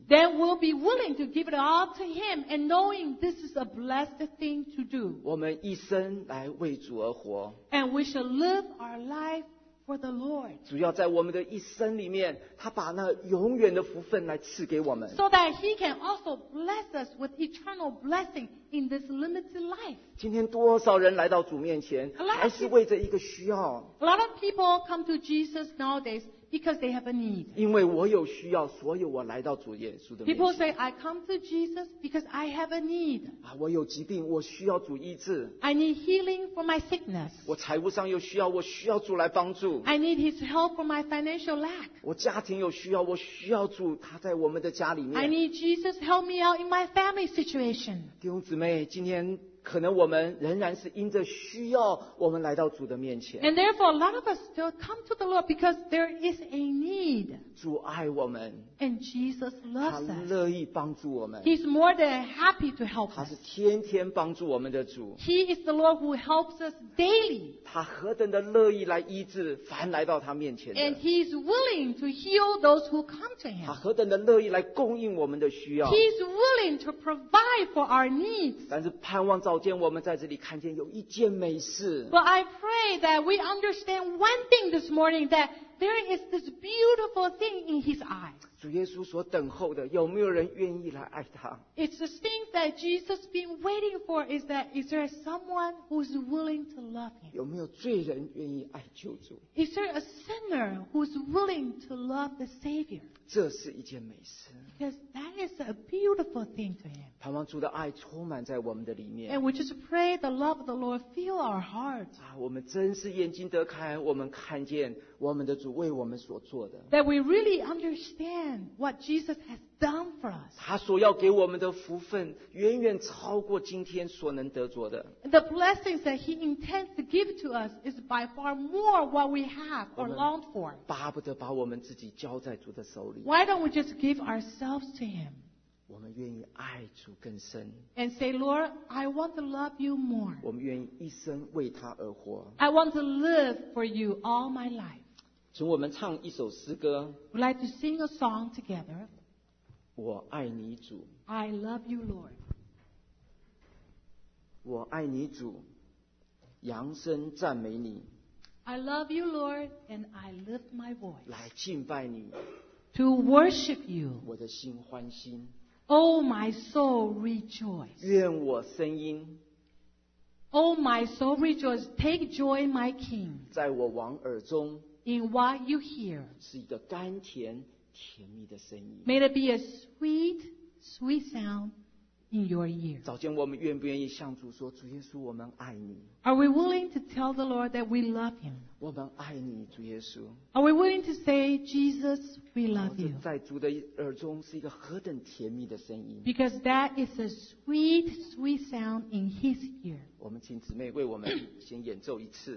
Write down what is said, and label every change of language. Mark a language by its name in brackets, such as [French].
[English] Then we'll be willing to give it all to Him, and knowing this is a blessed thing to do. [Chinese] 我们一生来为主而活。 [English] And we shall live our life for the Lord. [Chinese] 主要在我们的一生里面，他把那永远的福分来赐给我们。 [English] So that He can also bless us with eternal blessing in this limited life. [Chinese] 今天多少人来到主面前，还是为着一个需要。 [English] A lot of people come to Jesus nowadays because they have a need. [Chinese] 因为我有需要，所以我来到主耶稣的面前。 [English] People say, I come to Jesus because I have a need. [Chinese] 啊，我有疾病，我需要主医治。 [English] I need healing for my sickness. [Chinese] 我财务上有需要，我需要主来帮助。 [English] I need His help for my financial lack. [Chinese] 我家庭有需要，我需要主他在我们的家里面。 [English] I need Jesus help me out in my family situation. [Chinese] 弟兄姊妹，今天可能我们仍然是因着需要，我们来到主的面前。 [English] And therefore, a lot of us still come to the Lord because there is a need. [Chinese] 主爱我们。 [English] And Jesus loves us. [Chinese] 他乐意帮助我们。 [English] He's more than happy to help us. [Chinese] 他是天天帮助我们的主。 [English] He is the Lord who helps us daily. [Chinese] 他何等的乐意来医治凡来到他面前的。 [English] And He is willing to heal those who come to Him. [Chinese] 他何等的乐意来供应我们的需要。 [English] He is willing to provide for our needs. [Chinese] 但是盼望照见我们在这里看见有一件美事。 [English] But I pray that we understand one thing this morning, that there is this beautiful thing in His eyes. [Chinese] 主耶稣所等候的，有没有人愿意来爱他 [English] ？It's the thing that Jesus been waiting for. Is that is there someone who's willing to love Him? [Chinese] 有没有罪人愿意爱救主 [English] ？Is there a sinner who's willing to love the Savior? [Chinese] 这是一件美事。 [English] Because that is a beautiful thing to Him. [Chinese] 盼望主的爱充满在我们的里面。 [English] And we just pray the love of the Lord fill our hearts. [Chinese] 啊，我们真是眼睛得开，我们看见我们的主为我们所做的。 [English] That we really understand what Jesus has done for us. [Chinese] 他所要给我们的福分远远超过今天所能得着的。 [English] The blessings that He intends to give to us is by far more what we have or longed for. [Chinese] 巴不得把我们自己交在主的手里。 [English] Why don't we just give ourselves to Him? [Chinese] 我们愿意爱主更深。 [English] And say, Lord, I want to love You more. [Chinese] 我们愿意一生为他而活。 [English] I want to live for You all my life. [Chinese] 请我们唱一首诗歌。 [English] We'd like to sing a song together. [Chinese] 我爱你主。 [English] I love you, Lord. [Chinese] 我爱你主，扬声赞美你。 [English] I love you, Lord, and I lift my voice. [Chinese] 来敬拜你。 [English] To worship you. [Chinese] 我的心欢欣。 [English] Oh, my soul rejoice. [Chinese] 愿我声音。 [English] Oh, my soul rejoice. Take joy, my King. [Chinese] 在我王耳中。 [English] In what you hear, [Chinese] 是一个甘甜甜蜜的声音。 [English] May it be a sweet, sweet sound in your ear. [Chinese] 早间我们愿不愿意向主说，主耶稣，我们爱你。 [English] Are we willing to tell the Lord that we love Him? [Chinese] 我们爱你，主耶稣。 [English] Are we willing to say, Jesus, we love you? [Chinese] 在主的耳中是一个何等甜蜜的声音。 [English] Because that is a sweet, sweet sound in His ear. [Chinese] 我们请姊妹为我们先演奏一次。